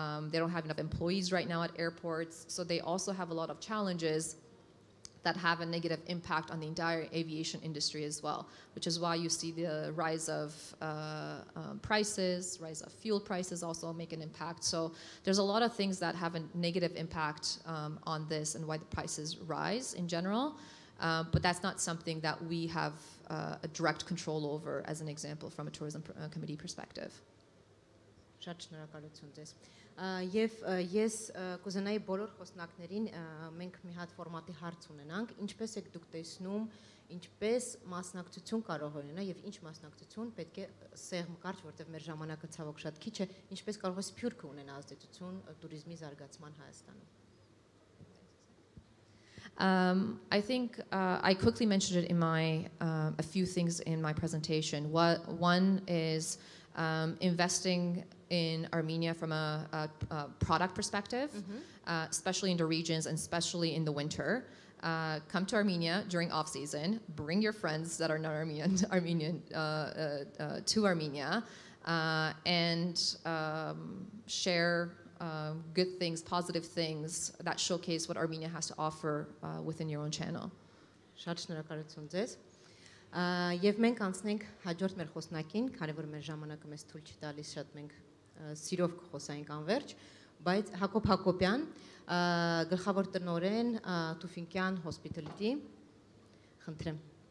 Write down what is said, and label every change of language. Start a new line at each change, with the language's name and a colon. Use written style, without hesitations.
English: They don't have enough employees right now at airports, so they also have a lot of challenges that have a negative impact on the entire aviation industry as well, which is why you see the rise of prices, rise of fuel prices also make an impact. So there's a lot of things that have a negative impact on this and why the prices rise in general, but that's not something that we have a direct control over, as an example, from a tourism committee perspective.
Armenian: Շատ շնորհակալություն ձեզ։ Եվ ես կուզենայի բոլոր խոսնակներին մենք մի հատ ֆորմատի հարց ունենանք։ Ինչպես եք դուք տեսնում, ինչպես մասնակցություն կարող ունենա եւ ինչ մասնակցություն պետք է սեղմ կարճ, որտեւ մեր ժամանակը ցավոք շատ քիչ է, ինչպես կարող է սփյուրքը ունենա ազդեցություն ቱրիզմի զարգացման Հայաստանում։
English: I think I quickly mentioned it in my a few things in my presentation. One is investing in Armenia from a product perspective, especially in the regions and especially in the winter. Come to Armenia during off season. Bring your friends that are not Armenian to Armenia, and share good things, positive things that showcase what Armenia has to offer within your own channel.
Armenian: Շատ շնորհակալություն ձեզ. Եվ մենք անցնենք հաջորդ մեր խոսնակին, քանի որ մեր ժամանակը մեզ թույլ չի տալիս շատ մենք սիրով կխոսենք անվերջ, բայց Հակոբ Հակոբյան, գլխավոր տնօրեն Tufenkian Hospitality-ի, խնդրեմ.